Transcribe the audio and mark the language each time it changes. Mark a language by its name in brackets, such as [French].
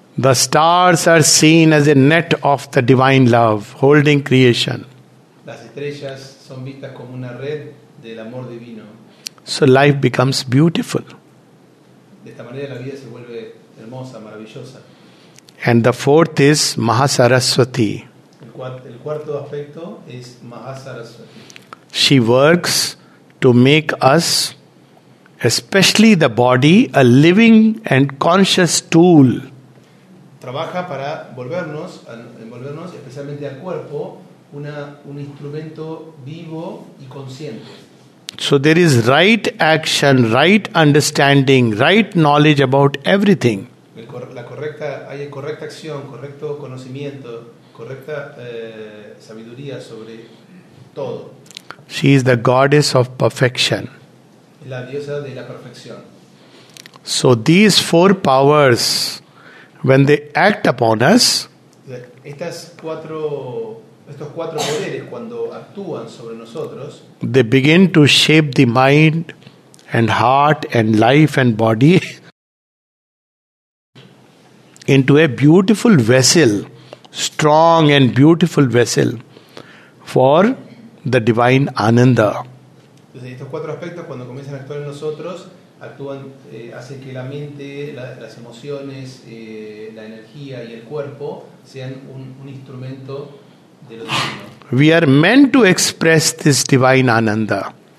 [English] The stars are seen as a net of the divine love, holding creation. [Spanish] Las estrellas son vistas como una red del amor divino. [English] So life becomes beautiful. [Spanish] De esta manera la vida se vuelve hermosa, maravillosa. [English] And the fourth is Mahasaraswati. [Spanish] El cuarto aspecto es Mahasaraswati. [English] She works to make us, especially the body, a living and conscious tool. [Spanish] Trabaja para volvernos, envolvernos, especialmente al cuerpo, un instrumento vivo y consciente. [English] So there is right action, right understanding, right knowledge about everything. [Spanish] Hay correcta acción, correcto conocimiento, correcta sabiduría sobre todo. [English] She is the goddess of perfection. [Spanish] La diosa de la perfección. [English] So these four powers, when they act upon us, [Spanish] estos cuatro poderes cuando actúan sobre nosotros, [English] they begin to shape the mind and heart and life and body into a beautiful vessel, strong and beautiful vessel for the divine ananda. [Spanish] Entonces, estos cuatro aspectos cuando comienzan a actuar en nosotros actúan, hace que la mente, las emociones, la energía y el cuerpo sean un instrumento de lo divino. [English] We are meant to express this divine ananda.